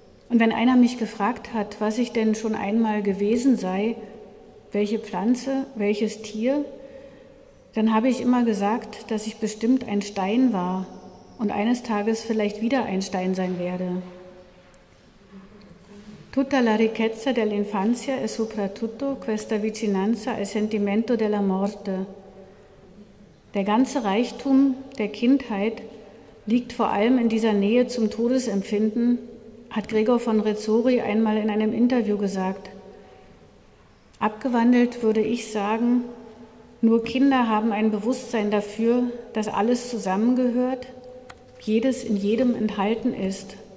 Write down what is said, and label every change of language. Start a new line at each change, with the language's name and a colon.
German: Und wenn einer mich gefragt hat, was ich denn schon einmal gewesen sei, welche Pflanze, welches Tier, dann habe ich immer gesagt, dass ich bestimmt ein Stein war und eines Tages vielleicht wieder ein Stein sein werde.
Italian: Tutta la ricchezza dell'infanzia e soprattutto questa vicinanza al sentimento della morte.
German: Der ganze Reichtum der Kindheit liegt vor allem in dieser Nähe zum Todesempfinden, hat Gregor von Rezzori einmal in einem Interview gesagt. Abgewandelt würde ich sagen, nur Kinder haben ein Bewusstsein dafür, dass alles zusammengehört, jedes in jedem enthalten ist.